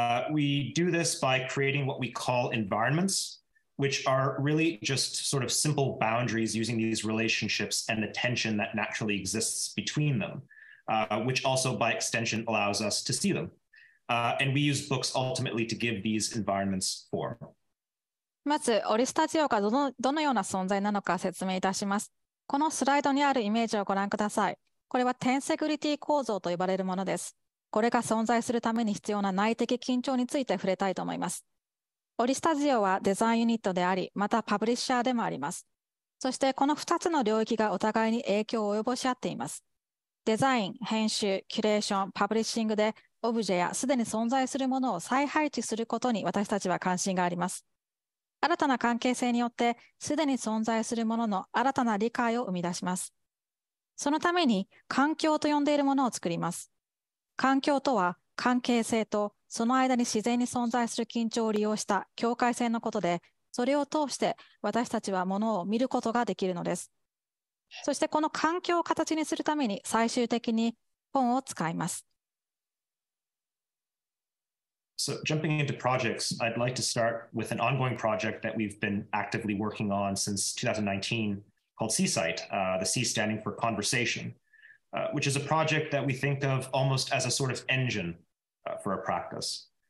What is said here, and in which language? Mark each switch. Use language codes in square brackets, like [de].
[en] We do this by creating what we call environments, which are really just sort of simple boundaries using these relationships and the tension that naturally exists between them, which also by extension allows us to see them. And we use books ultimately to give these environments form. [ja] まずオリスタジオがどのような存在なのか説明いたします。このスライドにあるイメージをご覧ください。これはテンセグリティ構造と呼ばれるものです。これが存在するために必要な内的緊張について触れたいと思います。オリスタジオはデザインユニットであり、またパブリッシャーでもあります。そしてこの2つの領域がお互いに影響を及ぼし合っています。デザイン、編集、キュレーション、パブリッシングでオブジェやすでに存在するものを再配置することに私たちは関心があります。新たな関係性によってすでに存在するものの新たな理解を生み出します。そのために環境と呼んでいるものを作ります。環境とは関係性とその間に自然に存在する緊張を利用した境界線のことで、それを通して私たちはものを見ることができるのです。そしてこの環境を形にするために最終的に本を使います。 [en] So jumping into projects, I'd like to start with an ongoing project that we've been actively working on since 2019 called C-Site, the C standing for conversation, which is a project that we think of almost as a sort of engine for a practice.